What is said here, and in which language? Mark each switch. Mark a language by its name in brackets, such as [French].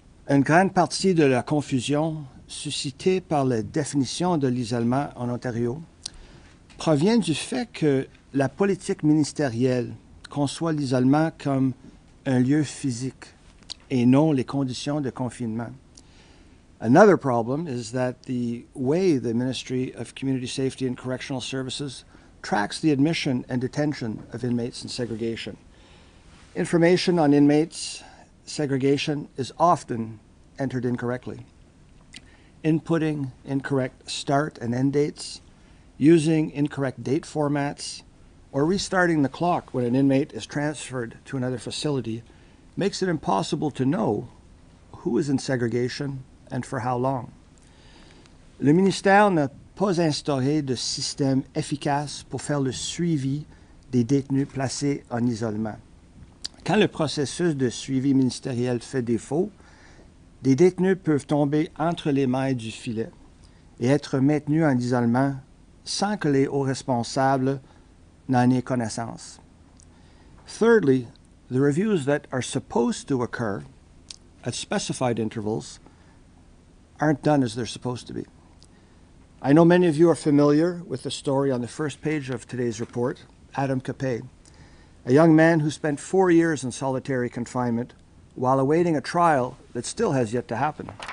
[French] Une grande partie de la confusion suscitée par la définition de l'isolement en Ontario provient du fait que la politique ministérielle conçoit l'isolement comme un lieu physique et non les conditions de confinement. [English] Another problem is that the way the Ministry of Community Safety and Correctional Services tracks the admission and detention of inmates in segregation. Information on inmates segregation is often entered incorrectly. Inputting incorrect start and end dates, using incorrect date formats, or restarting the clock when an inmate is transferred to another facility makes it impossible to know who is in segregation and for how long. [French] Le ministère n'a pas instauré de système efficace pour faire le suivi des détenus placés en isolement. Quand le processus de suivi ministériel fait défaut, des détenus peuvent tomber entre les mailles du filet et être maintenus en isolement sans que les hauts responsables n'en aient connaissance. [English] Thirdly, the reviews that are supposed to occur at specified intervals aren't done as they're supposed to be. I know many of you are familiar with the story on the first page of today's report, Adam Capet, a young man who spent 4 years in solitary confinement while awaiting a trial that still has yet to happen.